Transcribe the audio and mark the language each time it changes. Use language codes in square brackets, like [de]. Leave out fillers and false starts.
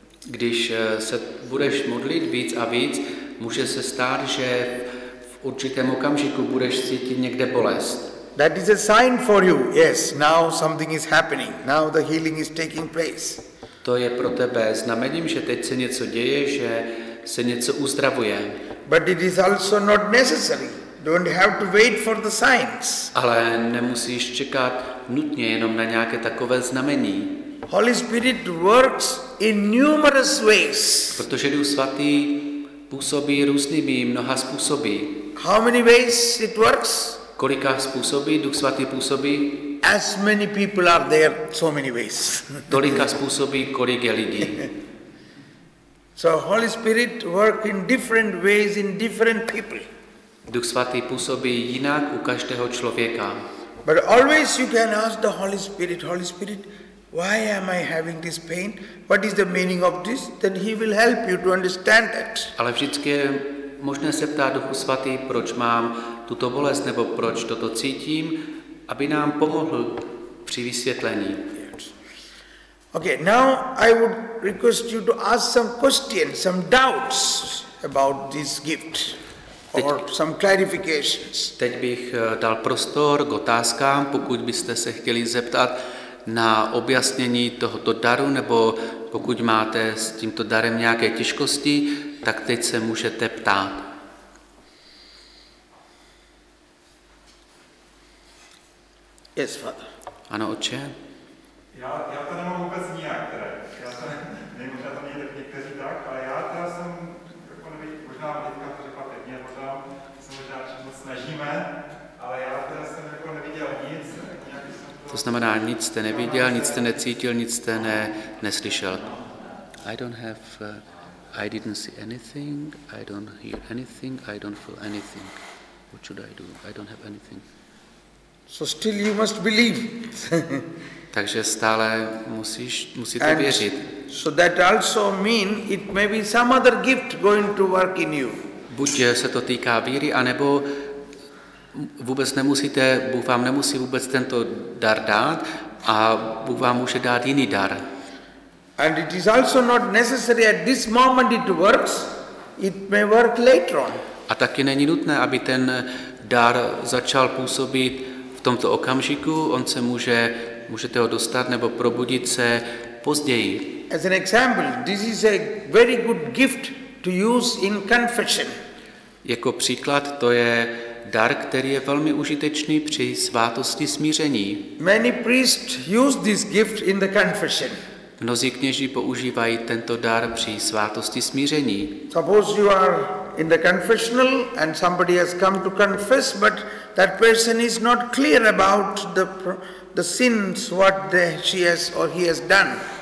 [cs] Když se budeš modlit víc a víc, může se stát, že v určitém okamžiku budeš cítit někde bolest. [en] That is a sign for you. Yes, now something is happening. Now the healing is taking place. [cs] To je pro tebe znamením, že teď se něco děje, že se něco uzdravuje. [en] But it is also not necessary. Don't have to wait for the signs. [cs] Ale nemusíš čekat nutně jenom na nějaké takové znamení. [en] Holy Spirit works in numerous ways. [cs] Protože Duch svatý působí různými mnoha způsoby. [en] How many ways it works? [cs] Kolika způsoby Duch svatý působí? [en] As many people are there, so many ways. [cs] Tolika způsobí, kolik je lidí. [en] So Holy Spirit works in different ways in different people. [cs] Duch svatý působí jinak u každého člověka. [en] But always you can ask the Holy Spirit, Holy Spirit, why am I having this pain? What is the meaning of this? Then he will help you to understand that. [cs] Ale vždycky je možné se ptát Duchu svatý, proč mám tuto bolest nebo proč toto cítím, aby nám pomohl při vysvětlení. [en] Okay, now I would request you to ask some questions, some doubts about this gift or some clarifications. [cs] Teď bych dal prostor k otázkám, pokud byste se chtěli zeptat na objasnění tohoto daru nebo pokud máte s tímto darem nějaké těžkosti, tak teď se můžete ptát. [en] Yes, father. [cs] Ano, otče. Já to nemám vůbec nijak teda. Možná to mějte někteří tak, ale já teda jsem, jako nevím, možná teďka to řekla pěkně, možná se možná všechno snažíme, ale já teda jsem jako neviděl nic. Nějak jsem to znamená, nic jste neviděl, nic jste necítil, nic jste neslyšel. [en] I don't have, I didn't see anything, I don't hear anything, I don't feel anything. What should I do? I don't have anything. So still you must believe. [cs] Takže stále musíte [en] and [cs] věřit. [en] So that also mean it may be some other gift going to work in you. [cs] Buď se to týká víry, anebo vůbec nemusíte, Bůh vám nemusí vůbec tento dar dát a Bůh vám může dát jiný dar. [en] And it is also not necessary at this moment it works. It may work later on. [cs] A taky není nutné, aby ten dar začal působit v tomto okamžiku, on se můžete ho dostat nebo probudit se později. [en] As an example, this is a very good gift to use in confession. [cs] Jako příklad, to je dar, který je velmi užitečný při svátosti smíření. [en] Many priests use this gift in the confession. [cs] Mnozí kněží používají tento dar při svátosti smíření. [en] Suppose you are in the confessional and somebody has come to confess, but that person is not clear about the sins what she has or he has done.